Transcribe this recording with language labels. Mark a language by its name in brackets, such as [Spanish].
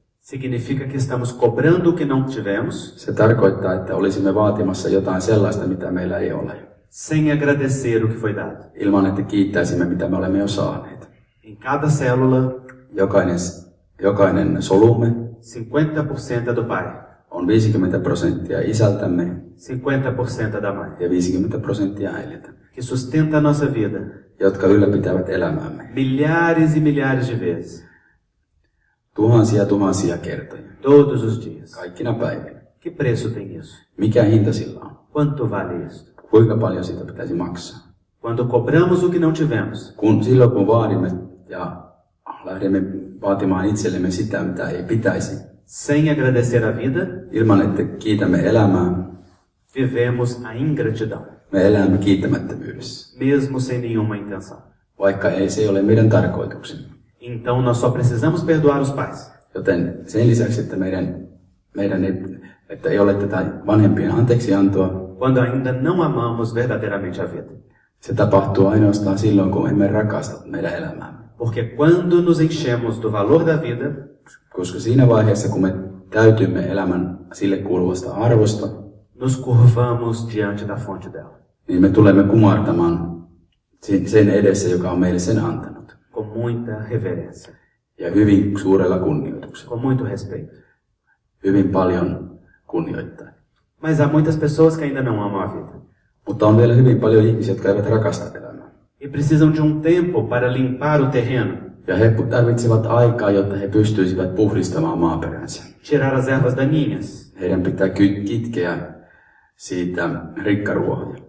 [Portuguese] Significa que estamos cobrando o que não tivemos. [Finnish] Se tarkoittaa, että olisimme vaatimassa jotain sellaista, mitä meillä ei ole. [Portuguese] Sem agradecer o que foi dado. [Finnish] Ilman, että kiittäisimme, mitä me olemme jo saaneet. [Portuguese] Em cada célula. [Finnish] Jokainen solumme. [Portuguese] 50% do pai. [Finnish] On 50% isältämme. [Portuguese] 50% da mãe. [Finnish] Ja 50% äidiltä. [Portuguese] Que sustenta a nossa vida. [Finnish] Jotka ylläpitävät elämäämme. [Portuguese] Milhares e milhares de vezes. [Finnish] Tuhansia tuhansia kertoja. [Portuguese] Todos os dias. [Finnish] Kaikkina päivinä. [Portuguese] Que preço tem isso? [Finnish] Mikä hinta sillä on? [Portuguese] Quanto vale isso? [Finnish] Kuinka paljon sitä pitäisi maksaa? [Portuguese] Quando cobramos o que não tivemos. [Finnish] Kun vaadimme ja lähdemme vaatimaan itsellemme sitä, mitä ei pitäisi. [Portuguese] Sem agradecer a vida, [Finnish] ilman että kiitämme elämää, [Portuguese] vivemos a ingratidão. [Finnish] Me elämme kiittämättömyydessä. [Portuguese] Mesmo sem nenhuma intenção. [Finnish] Vaikka ei se ole meidän tarkoituksemme. [Portuguese] Então nós só precisamos perdoar os pais. [Finnish] Joten sen lisäksi, että meidän että ei ole tätä vanhempien anteeksiantoa. [Portuguese] Quando ainda não amamos verdadeiramente a vida. [Finnish] Se tapahtuu ainoastaan silloin, kun emme rakasta meidän elämäämme. [Portuguese] Porque quando nos enchemos do valor da vida, [Finnish] koska siinä vaiheessa, kun me täytymme elämän sille kuuluvasta arvosta, [Portuguese] nos curvamos diante da fonte dela. [Finnish] Niin me tulemme kumartamaan sen edessä, joka on meille sen antanut. [Portuguese] Con muita reverência. [Finnish] Ja hyvin suurella kunnioituksella. [Portuguese] Con muito respeito. [Finnish] Hyvin paljon kunnioittaa. [Portuguese] Mas há muitas pessoas que ainda não amam a vida. [Finnish] Mutta on vielä hyvin paljon ihmisiä, jotka eivät rakasta elämää. [Portuguese] E precisam de um tempo para limpar o terreno. [Finnish] Ja he tarvitsevat aikaa, jotta he pystyisivät puhdistamaan maaperänsä. [Portuguese] Tirar as ervas daninhas. [Finnish] Heidän pitää kitkeä siitä rikkaruohoja.